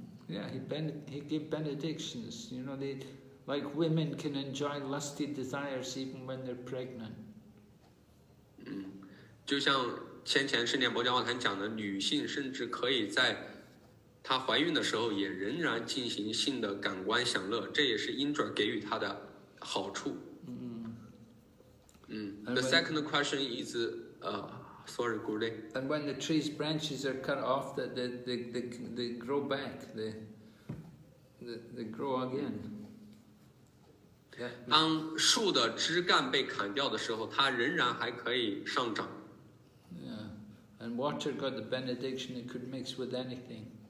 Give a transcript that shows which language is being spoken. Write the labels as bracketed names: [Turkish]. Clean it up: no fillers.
[English] Yeah, he gave benedictions, you know, like women can enjoy lusty desires even when they're pregnant. [Chinese] 就像先前圣殿伯伽梵谈讲的，女性甚至可以在她怀孕的时候也仍然进行性的感官享乐，这也是Indra给予她的好处。 [English] The second question is, sorry, Gurudev. And when the tree's branches are cut off, they grow back, they grow again. [Chinese] 当树的枝干被砍掉的时候，它仍然还可以上长。 [English] Yeah, and water got the benediction; it could mix with anything.